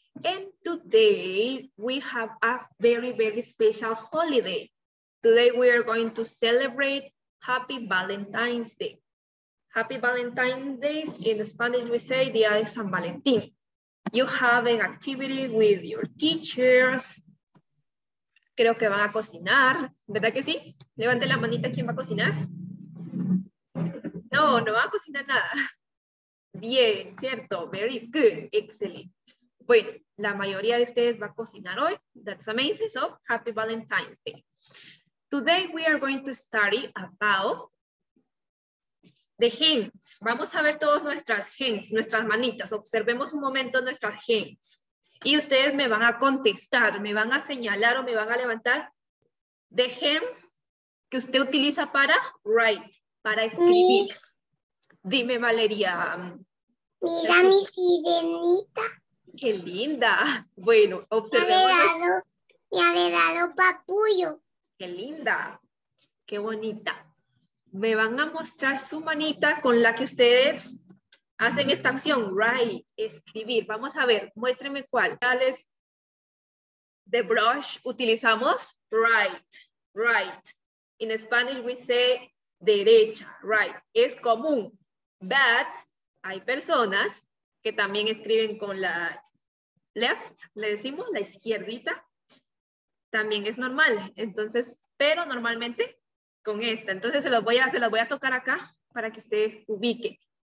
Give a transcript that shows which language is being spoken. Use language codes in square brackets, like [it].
[en] And today we have a very, very special holiday. Today we are going to celebrate Happy Valentine's Day. Happy Valentine's Day, in Spanish we say [es] Día de San Valentín. [en] You have an activity with your teachers. [es] Creo que van a cocinar, ¿verdad que sí? Levante la manita, ¿quién va a cocinar? No, no va a cocinar nada. Bien, cierto. [en] Very good. Excellent. [es] Bueno, la mayoría de ustedes va a cocinar hoy. [en] That's amazing. So, happy Valentine's Day. Today we are going to study about the hands. [es] Vamos a ver todas nuestras hands, nuestras manitas. Observemos un momento nuestras hands. Y ustedes me van a contestar, me van a señalar o me van a levantar the hands que usted utiliza para write, para escribir. Mi, dime, Valeria. Mira mi sirenita. Qué linda. Bueno, observemos. Me ha dado papullo. Qué linda. Qué bonita. Me van a mostrar su manita con la que ustedes hacen esta acción. Write, escribir. Vamos a ver, muéstrenme cuál. ¿Cuál es the brush utilizamos? [en] Write, write. In Spanish we say derecha, right. [es] Es común, but hay personas que también escriben con la left, le decimos, la izquierdita. También es normal, entonces, pero normalmente con esta. Entonces se los voy a tocar acá para que ustedes ubiquen.